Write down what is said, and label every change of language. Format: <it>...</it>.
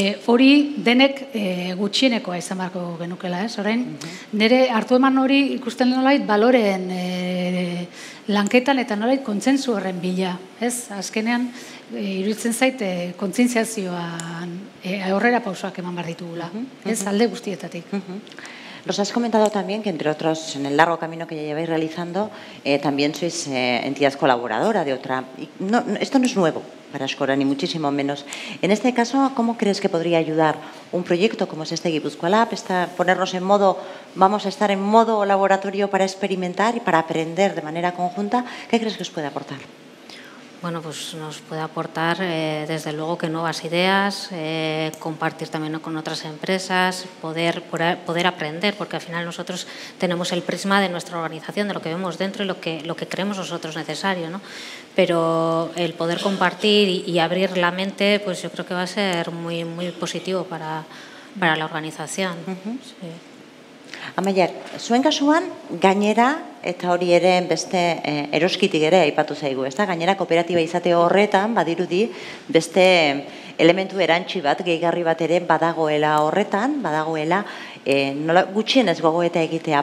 <eu>hori denek gutxienekoa izan beharko genukela, ez? Orain, nire hartu eman hori ikusten nolait baloren lanketan eta nolait kontzentzu horren bila, ez? Azkenean, iruditzen zait, kontzientziazioan aurrera pausoak eman behar ditugula, ez? Alde guztietatik.</eu> <es>Nos has comentado también que, entre otros, en el largo camino que ya lleváis realizando, también sois entidad colaboradora de otra. No, esto no es nuevo para Eskora, ni muchísimo menos. En este caso, ¿cómo crees que podría ayudar un proyecto como es este Gipuzkoa Lab, ponernos en modo, vamos a estar en modo laboratorio para experimentar y para aprender de manera conjunta? ¿Qué crees que os puede aportar? Bueno, pues nos puede aportar, desde luego, que nuevas ideas, compartir también con otras empresas, poder aprender, porque al final nosotros tenemos el prisma de nuestra organización, de lo que vemos dentro y lo que creemos nosotros necesario, ¿no? Pero el poder compartir y abrir la mente, pues yo creo que va a ser muy, muy positivo para la organización.</es> <eu>Amaia, zuen kasuan, gainera, eta hori ere beste eroskitik ere aipatu zaigu, ez da? Gainera, kooperatiba izate horretan, badirudi, beste elementu erantsi bat, gehigarri bat ere badagoela horretan, badagoela, nola, gutxienez gogoeta egitea.</eu>